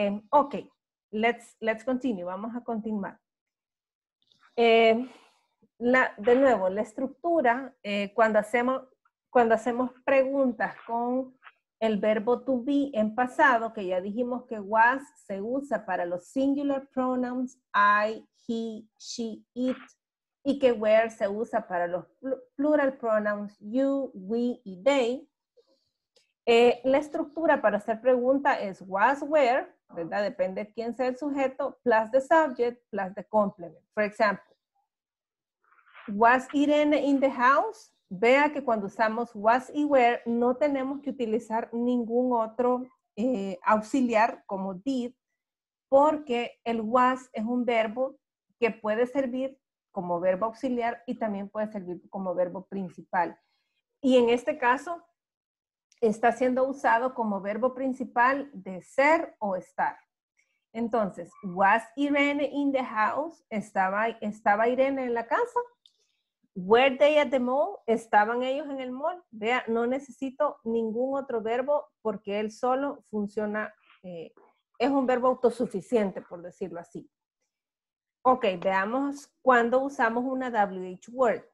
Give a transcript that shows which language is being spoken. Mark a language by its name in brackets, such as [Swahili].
[Spanish] Ok, let's continue, vamos a continuar. De nuevo, la estructura, cuando hacemos preguntas con el verbo to be en pasado, que ya dijimos que was, se usa para los [English] singular pronouns [Spanish] I, he, she, it, y que were se usa para los [English] plural pronouns [Spanish] you, we y they. La estructura para hacer pregunta es was, where, ¿verdad? Depende de quién sea el sujeto, [English] plus the subject, plus the complement. [Spanish] Por ejemplo, [English] was Irene in the house? [Spanish] Vea que cuando usamos was y were, no tenemos que utilizar ningún otro auxiliar como did, porque el was es un verbo que puede servir como verbo auxiliar y también puede servir como verbo principal. Y en este caso, está siendo usado como verbo principal de ser o estar. Entonces, [English] was Irene in the house? [Spanish] ¿Estaba Irene en la casa? [English] Were they at the mall? [Spanish] ¿Estaban ellos en el mall? Vea, no necesito ningún otro verbo porque él solo funciona, es un verbo autosuficiente, por decirlo así. Ok, veamos cuando usamos una WH word.